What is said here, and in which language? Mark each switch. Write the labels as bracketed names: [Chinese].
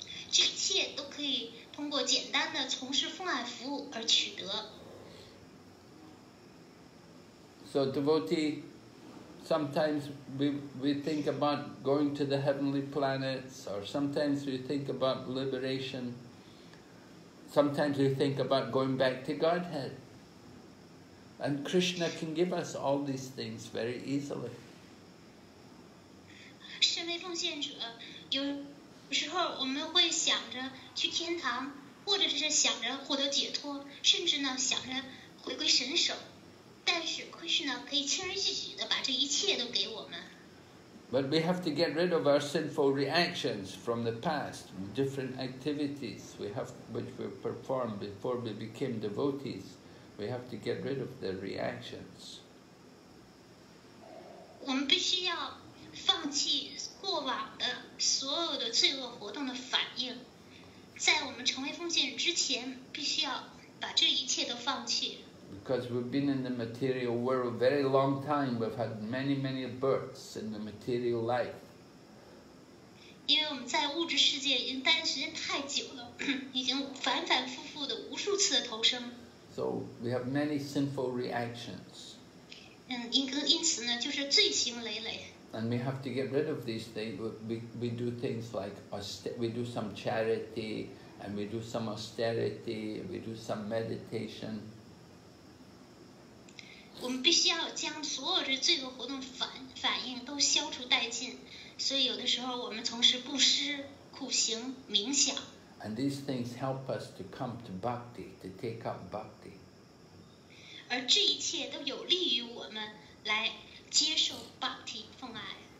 [Chinese] 这一切都可以通过简单的从事奉爱服务而取得。 [English] So devotee, sometimes we think about going to the heavenly planets, or sometimes we think about liberation. Sometimes we think about going back to Godhead. And Krishna can give us all these things very easily. [Chinese] 身为奉献者，有时候我们会想着去天堂，或者是想着获得解脱，甚至呢想着回归神手。但是 Krishna 可以轻而易举地把这一切都给我们。 [English] But we have to get rid of our sinful reactions from the past, different activities we have which we performed before we became devotees. We have to get rid of the reactions. [Chinese] 我们必须要。放弃过往的所有的罪恶活动的反应，在我们成为奉献之前，必须要把这一切都放弃。 [English] Because we've been in the material world a very long time, we've had many, many births in the material life. [Chinese] 因为我们在物质世界已经待的时间太久了，已经反反复复的无数次的投生。 [English] So we have many sinful reactions. [Chinese] 因此呢，就是罪行累累。 [English] And we have to get rid of these things. We do things like we do some charity, and we do some austerity, and we do some meditation. [Chinese] 我们必须要将所有的罪恶活动反应都消除殆尽。所以有的时候我们从事布施、苦行、冥想。 [English] And these things help us to come to bhakti, to take up bhakti. [Chinese] 而这一切都有利于我们来接受 bhakti 奉爱。